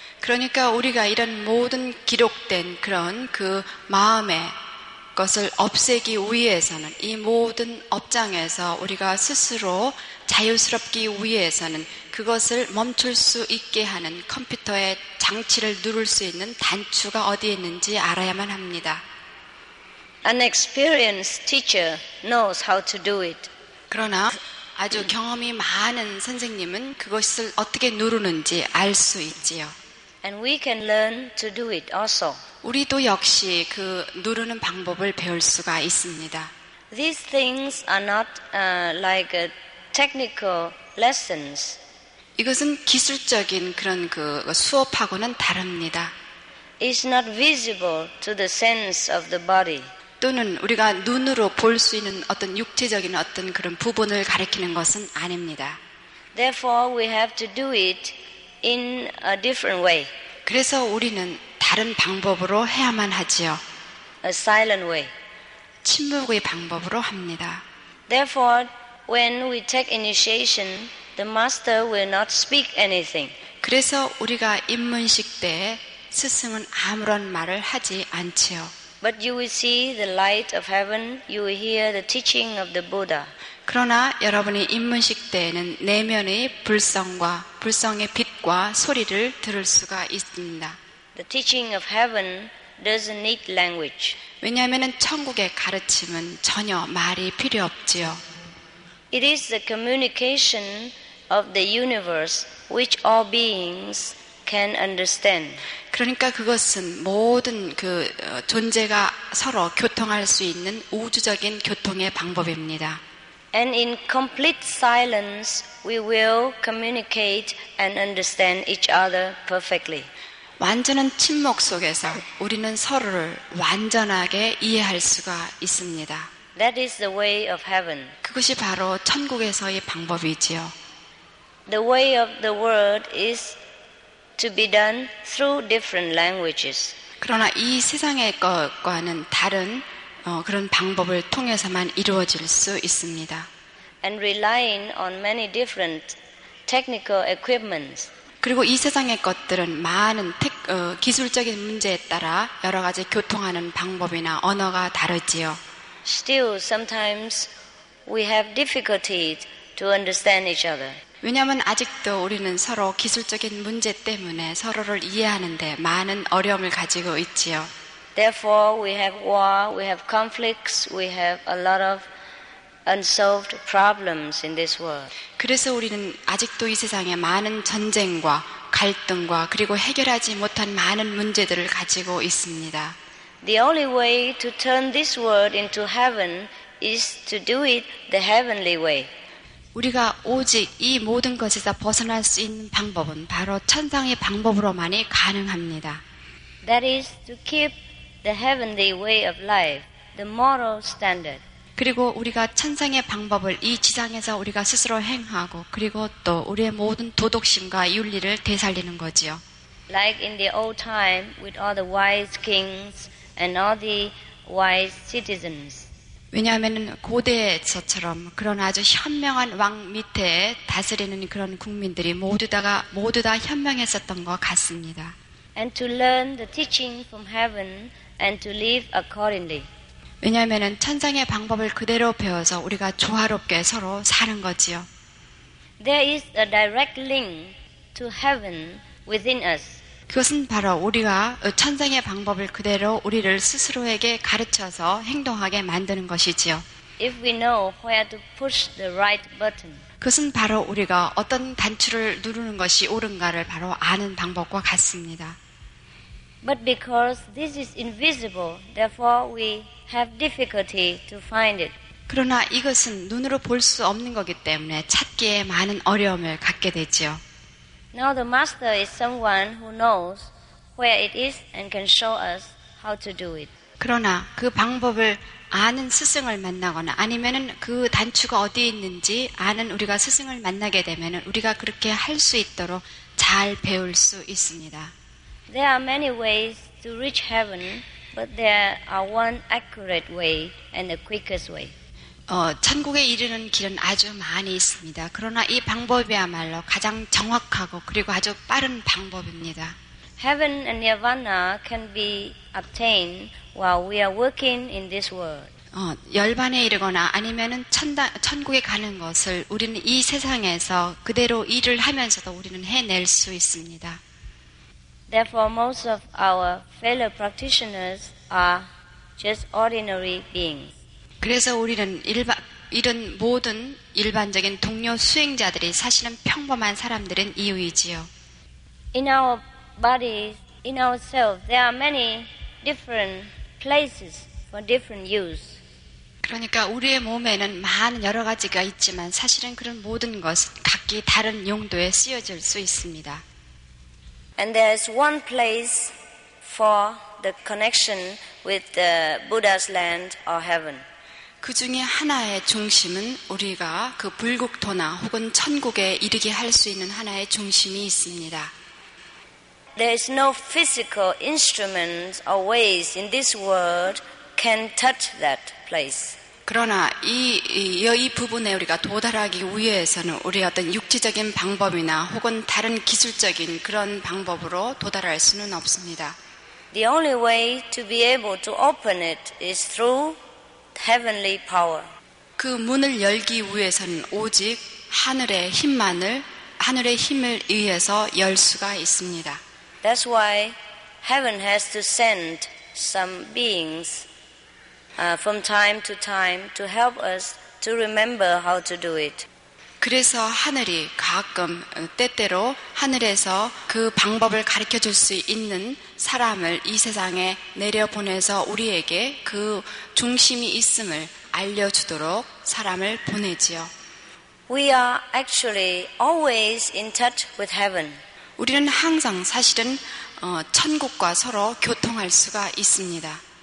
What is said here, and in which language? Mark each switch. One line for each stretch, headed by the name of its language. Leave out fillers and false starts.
Korean: 그러니까 우리가 이런 모든 기록된 그런 그 마음의 것을 없애기 위해서는 이 모든 업장에서 우리가 스스로 자유스럽기 위해서는 그것을 멈출 수 있게 하는 컴퓨터의 장치를 누를 수 있는 단추가 어디에 있는지 알아야만 합니다.
English: An experienced teacher knows how to do it.
Korean: 그러나 아주 경험이 많은 선생님은 그것을 어떻게 누르는지 알 수 있지요.
English: And we can learn to do it also.
Korean: 우리도 역시 그 누르는 방법을 배울 수가 있습니다.
English: These things are not like technical lessons.
Korean: 이것은 기술적인 그런 그 수업하고는 다릅니다.
English: It's not visible to the sense of the body.
Korean: 또는 우리가 눈으로 볼 수 있는 어떤 육체적인 어떤 그런 부분을 가리키는 것은 아닙니다.
English: Therefore, we have to do it in a different way.
Korean: 그래서 우리는 다른 방법으로 해야만 하지요.
English: A silent way.
Korean: 침묵의 방법으로 합니다.
English: Therefore, when we take initiation, the master will not speak anything.
Korean: 그래서 우리가 입문식 때 스승은 아무런 말을 하지 않지요.
English: But you will see the light of heaven. You will hear the teaching of the Buddha.
Korean: 그러나 여러분이 입문식 때에는 내면의 불성과 불성의 빛과 소리를 들을 수가 있습니다.
English: The teaching of heaven doesn't need language.
Korean: 왜냐하면 천국의 가르침은 전혀 말이 필요 없지요.
English: It is the communication of the universe which all beings can understand.
Korean: 그러니까 그것은 모든 그 존재가 서로 교통할 수 있는 우주적인 교통의 방법입니다.
English: And in complete silence, we will communicate and understand each other perfectly.
Korean: 완전한 침묵 속에서 우리는 서로를 완전하게 이해할 수가 있습니다.
English: That is the way of heaven.
Korean: 그것이 바로 천국에서의 방법이지요.
English: The way of the world is to be done through different languages.
Korean: 그러나 이 세상의 것과는 다른 그런 방법을 통해서만 이루어질 수 있습니다.
English: And relying on many different technical equipments.
Korean: 그리고 이 세상의 것들은 많은 기술적인 문제에 따라 여러 가지 교통하는 방법이나 언어가 다르지요.
English: Still, sometimes we have difficulty to understand each other.
Korean: 왜냐하면 아직도 우리는 서로 기술적인 문제 때문에 서로를 이해하는데 많은 어려움을 가지고 있지요.
English: Therefore, we have war, we have conflicts, we have a lot of unsolved problems in this world.
Korean: 그래서 우리는 아직도 이 세상에 많은 전쟁과 갈등과 그리고 해결하지 못한 많은 문제들을 가지고 있습니다.
English: The only way to turn this world into heaven is to do it the heavenly way.
Korean: 우리가 오직 이 모든 것에서 벗어날 수 있는 방법은 바로 천상의 방법으로만이 가능합니다.
English: That is to keep the heavenly way of life, the moral standard.
Korean: 그리고 우리가 천상의 방법을 이 지상에서 우리가 스스로 행하고 그리고 또 우리의 모든 도덕심과 윤리를 되살리는 거지요.
English: Like in the old time with all the wise kings and all the wise citizens.
Korean: 왜냐하면 고대에서처럼 그런 아주 현명한 왕 밑에 다스리는 그런 국민들이 모두 다 현명했었던 것 같습니다.
English: And to learn the teaching from heaven and to live accordingly.
Korean: 왜냐하면 천상의 방법을 그대로 배워서 우리가 조화롭게 서로 사는 거지요.
English: There is a direct link to heaven within us.
Korean: 그것은 바로 우리가 천상의 방법을 그대로 우리를 스스로에게 가르쳐서 행동하게 만드는 것이지요.
English: If we know where to push the right button.
Korean: 그것은 바로 우리가 어떤 단추를 누르는 것이 옳은가를 바로 아는 방법과 같습니다.
English: But because this is invisible, therefore we have difficulty to find it.
Korean: 그러나 이것은 눈으로 볼 수 없는 것이기 때문에 찾기에 많은 어려움을 갖게 되죠.
English: Now the master is someone who knows where it is and can show us how to do it.
Korean: 그러나 그 방법을 아는 스승을 만나거나 아니면은 그 단추가 어디 있는지 아는 우리가 스승을 만나게 되면은 우리가 그렇게 할 수 있도록 잘 배울 수 있습니다.
English: There are many ways to reach heaven, but there are one accurate way and the quickest way.
Korean: 천국에 이르는 길은 아주 많이 있습니다. 그러나 이 방법이야말로 가장 정확하고 그리고 아주 빠른 방법입니다.
English: Heaven and Nirvana can be obtained while we are working in this world.
Korean: 열반에 이르거나 아니면은 천국에 가는 것을 우리는 이 세상에서 그대로 일을 하면서도 우리는 해낼 수 있습니다.
English: Therefore, most of our fellow practitioners are just ordinary beings.
Korean: 그래서 우리는 이런 모든 일반적인 동료 수행자들이 사실은 평범한 사람들인 이유이지요.
English: In our bodies, in ourselves, there are many different places for different use.
Korean: 그러니까 우리의 몸에는 많은 여러 가지가 있지만 사실은 그런 모든 것 각기 다른 용도에 쓰여질 수 있습니다.
English: And there is one place for the connection with the Buddha's land or heaven.
Korean: 그 중에 하나의 중심은 우리가 그 불국토나 혹은 천국에 이르게 할 수 있는 하나의 중심이 있습니다.
English: There is no physical instruments or ways in this world can touch that place.
Korean: 그러나 이 부분에 우리가 도달하기 위해서는 우리 어떤 육체적인 방법이나 혹은 다른 기술적인 그런 방법으로 도달할 수는 없습니다.
English: The only way to be able to open it is through heavenly power.
Korean: 그 문을 열기 위해서는 오직 하늘의 힘을 의해서 열 수가 있습니다.
English: That's why heaven has to send some beings from time to time to help us to remember how to do it.
Korean: 그래서 하늘이 가끔 때때로 하늘에서 그 방법을 가르쳐 줄 수 있는 사람을 이 세상에 내려보내서 우리에게 그 중심이 있음을 알려주도록 사람을 보내지요.
English: We are actually always in touch with heaven.
Korean: 우리는 항상 사실은 천국과 서로 교통할 수가 있습니다.